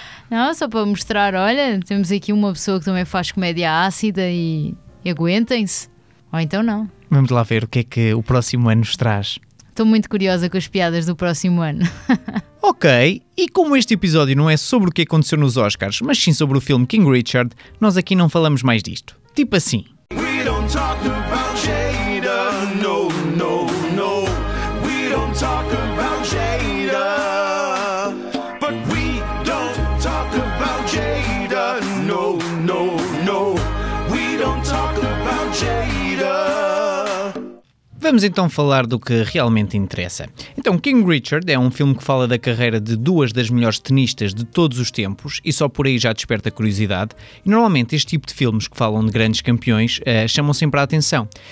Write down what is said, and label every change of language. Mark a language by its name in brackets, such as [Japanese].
[Portuguese] Não, só para mostrar, olha, temos aqui uma pessoa que também faz comédia ácida e aguentem-se. Ou então não. Vamos lá ver o que é que o próximo ano nos traz. Estou muito curiosa com as piadas do próximo ano. Ok, e como este episódio não é sobre o que aconteceu nos Oscars, mas sim sobre o filme King Richard, nós aqui não falamos mais disto. Tipo assim. [English] We don't talk about Jada, no, no, no. We don't talk about Jada. But we don't talk about Jada, no, no, no. We don't talk about Jada. [Portuguese] Vamos então falar do que realmente interessa. Então, King Richard é um filme que fala da carreira de duas das melhores tenistas de todos os tempos e só por aí já desperta curiosidade. E normalmente este tipo de filmes que falam de grandes campeões chamam sempre a atenção.